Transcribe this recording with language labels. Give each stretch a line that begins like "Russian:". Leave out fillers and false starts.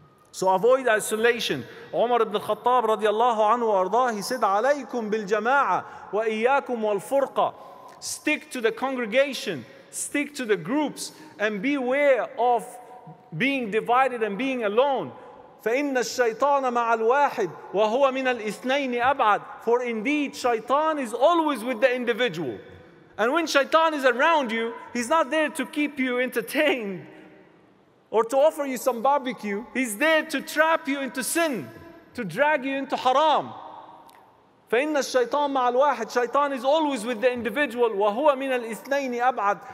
English: So avoid isolation. Umar ibn Khattab radiallahu anhu arda, he said,
Arabic: عليكم بالجماعة وإياكم والفرقة.
English: Stick to the congregation, stick to the groups, and beware of being divided and being alone.
Arabic: فإن الشيطان مع الواحد وهو من الاثنين أبعد.
English: For indeed, shaitan is always with the individual. And when shaitan is around you, he's not there to keep you entertained or to offer you some barbecue. He's there to trap you into sin, to drag you into haram.
Arabic: فإن الشيطان مع الواحد.
English: Shaitan is always with the individual
Arabic: وهو من الاثنين أبعد.